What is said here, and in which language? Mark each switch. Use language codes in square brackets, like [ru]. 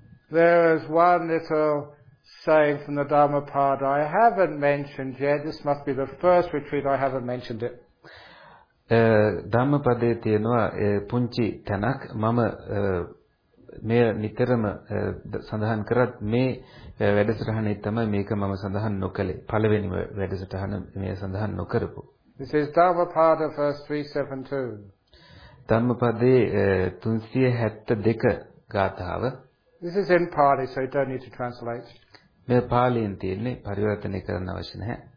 [en] There is one little saying from the Dhammapada I haven't mentioned yet. This must be the first retreat I haven't mentioned it. [si] ධම්මපදයේ තියෙනවා පුංචි තැනක්. මම මේ නිතරම සඳහන් කරත් මේ වැඩසටහනේ තමයි මේක මම සඳහන් නොකළේ. පළවෙනිම වැඩසටහන මේ සඳහන් නොකරපු. [en] This is Dhammapada verse 372. [si] ධම්මපදයේ 372 ගාථාව. [en] This is in Pali, so you don't need to translate. [si] මේ පාලියෙන් තියෙන්නේ, පරිවර්තනය කරන්න අවශ්‍ය නැහැ.